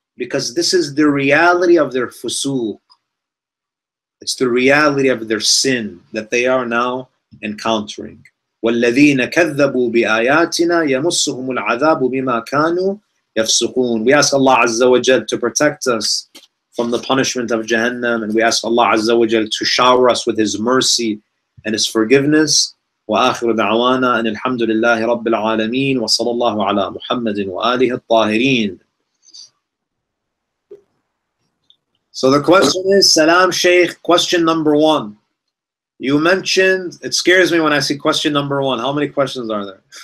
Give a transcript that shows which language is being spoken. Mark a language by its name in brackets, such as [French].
[English] Because this is the reality of their fusuq. It's the reality of their sin that they are now encountering. [Arabic] وَالَّذِينَ كَذَّبُوا بِآيَاتِنَا يَمُسُّهُمُ الْعَذَابُ بِمَا كَانُوا. [English] We ask Allah Azza wa Jal to protect us from the punishment of Jahannam, and we ask Allah Azza wa Jal to shower us with His mercy and His forgiveness. [Arabic] وآخر دعوانا أن الحمد لله رب العالمين وصلى الله على محمد وآله الطاهرين. [English] So the question is, Salam Sheikh, question number one. You mentioned, it scares me when I see question number one. How many questions are there?